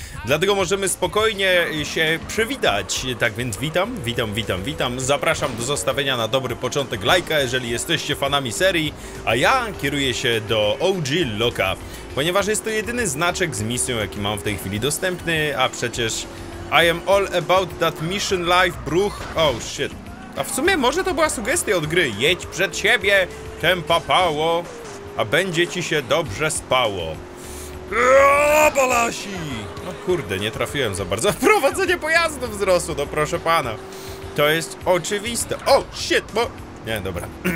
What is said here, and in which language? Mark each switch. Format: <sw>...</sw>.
<pl>Dlatego możemy spokojnie się przywitać, tak więc witam. Zapraszam do zostawienia na dobry początek lajka, jeżeli jesteście fanami serii, a ja kieruję się do OG Loka, ponieważ jest to jedyny znaczek z misją, jaki mam w tej chwili dostępny, a przecież...</pl> <en>I am all about that mission life, bruch. Oh shit.</en> <pl>A w sumie może to była sugestia od gry. Jedź przed siebie, tempa pało, a będzie ci się dobrze spało. Balasi! No kurde, nie trafiłem za bardzo. Prowadzenie pojazdu wzrosło, no proszę pana. To jest oczywiste.</pl> <en>Oh shit,</en> <pl>bo... Nie, dobra.</pl>